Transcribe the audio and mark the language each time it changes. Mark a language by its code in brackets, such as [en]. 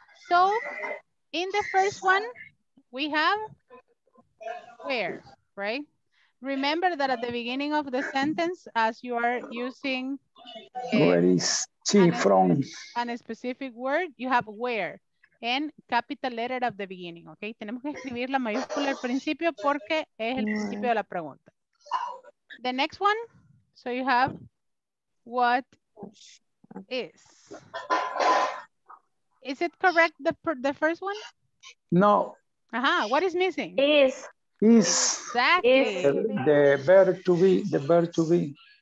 [en] So in the first one, we have where, right? Remember that at the beginning of the sentence, as you are using where is she from, a specific word, you have where and capital letter at the beginning, okay? [es] Tenemos que escribir la mayúscula al principio porque es el principio de la pregunta. [en] The next one, so you have what is. Is it correct, the first one? No. What is missing? Is. Is. Exactly. Is. The verb to be, the verb to be.